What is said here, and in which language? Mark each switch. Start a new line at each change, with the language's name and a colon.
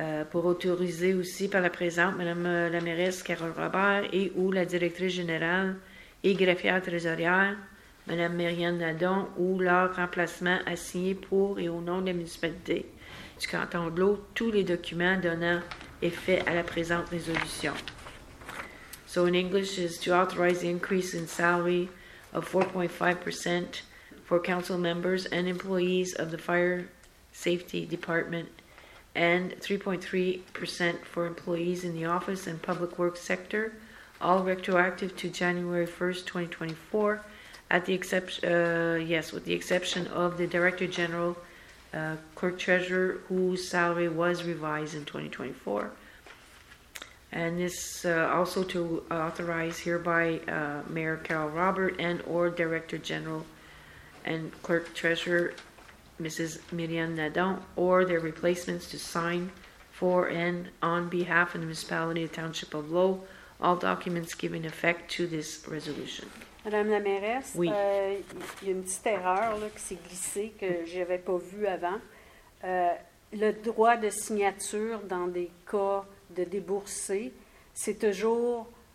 French: Pour autoriser aussi par la présente Mme la mairesse Carole Robert et ou la directrice générale et greffière trésorière, Mme Marianne Nadon ou leur remplacement à signer pour et au nom de la municipalité du canton de l'eau tous les documents donnant effet à la présente résolution.
English: So in English is to authorize the increase in salary of 4.5% for council members and employees of the fire safety department and 3.3% for employees in the office and public works sector, all retroactive to January 1st, 2024, at the with the exception of the Director General, Clerk Treasurer, whose salary was revised in 2024. And this also to authorize hereby Mayor Carol Robert and or Director General and Clerk Treasurer, Mrs. Myriam Nadon, or their replacements to sign for and on behalf of the municipality of Township of Lowe, all documents giving effect to this resolution.
French: Madame la mairesse, oui. Il y a une petite erreur là, qui s'est glissée que je n'avais pas vue avant. Le droit de signature dans des cas de déboursé, c'est toujours...